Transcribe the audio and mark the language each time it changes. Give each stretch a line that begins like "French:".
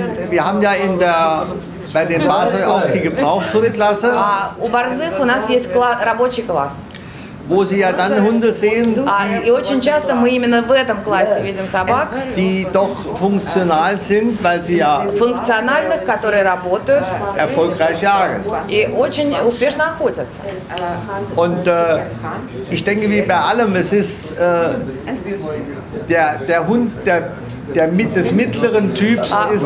German: Wir haben ja in der bei den Barzoi auch die Gebrauchshundklasse.
Russian: У барзых у нас есть рабочий класс.
German: Wo sie ja dann Hunde sehen,
Russian: и очень часто мы именно в этом классе видим собак,
German: die doch funktional sind, weil sie ja
Russian: функциональных, которые работают,
German: erfolgreich jagen.
Russian: И очень успешно охотятся.
German: Und ich denke, wie bei allem, es ist der Hund, des mittleren Typs ist,